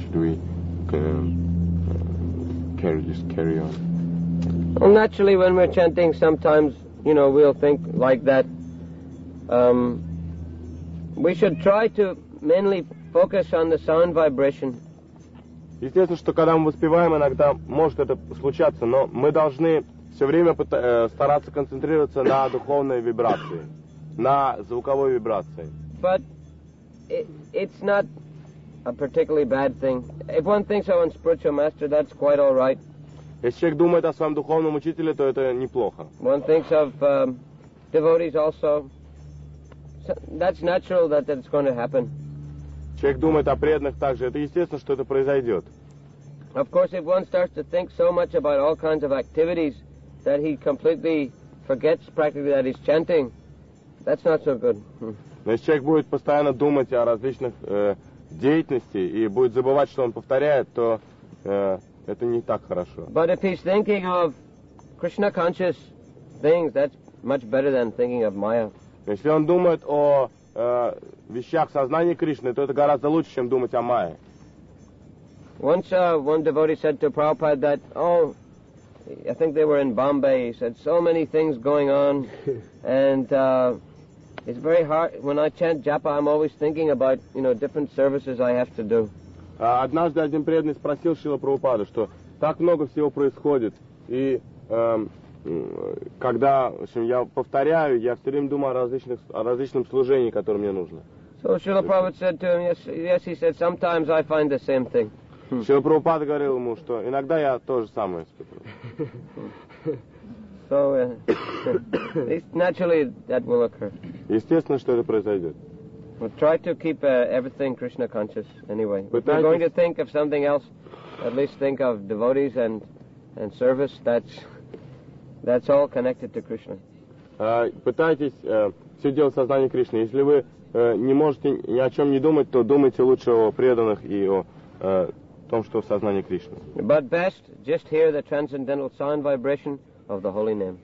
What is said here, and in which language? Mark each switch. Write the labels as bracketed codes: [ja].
[en] Should we carry on? Well, naturally, when we're chanting, sometimes, you know, we'll think like that. We should try to mainly focus on the sound vibration. [ru] Естественно, что когда мы воспеваем, иногда может это случаться, но мы должны все время стараться концентрироваться на духовной вибрации. на звуковой вибрации. [en] But it's not a particularly bad thing. If one thinks of a spiritual master, that's quite all right. [ru] Если человек думает о своем духовном учителе, то это неплохо. [en] One thinks of devotees also. That's natural that it's going to happen. [ru] Человек думает о преданных также. Это естественно, что это произойдет. [en] Of course, if one starts to think so much about all kinds of activities that he completely forgets practically that he's chanting, that's not so good. [ru] Но если человек будет постоянно думать о различных деятельности и будет забывать, что он повторяет, то это не так хорошо. [en] But if he's thinking of Krishna conscious things, that's much better than thinking of Maya. [ru] Если он думает о вещах сознания Кришны, то это гораздо лучше, чем думать о Майе. [en] Once one devotee said to Prabhupada that, oh, I think they were in Bombay, he said, so many things going on, and it's very hard, when I chant japa, I'm always thinking about, you know, different services I have to do. [ru] Однажды один преданный спросил Шрила Прабхупаду, что так много всего происходит, и когда, в общем, я повторяю, я все время думаю о различном служении, которое мне нужно. [en] So Srila Prabhupada said to him, yes, he said, sometimes I find the same thing. [ru] Шрила Прабхупада говорил ему, что иногда я то же самое испытываю. [en] So, naturally that will occur. [ru] Естественно, что это произойдет. [en] But try to keep everything Krishna conscious anyway. If you're going to think of something else, at least think of devotees and service. That's all connected to Krishna. [ru] Пытайтесь все делать в сознании Кришны. Если вы не можете ни о чем не думать, то думайте лучше о преданных и о том, что в сознании Кришны. [en] But best just hear the transcendental sound vibration of the holy name.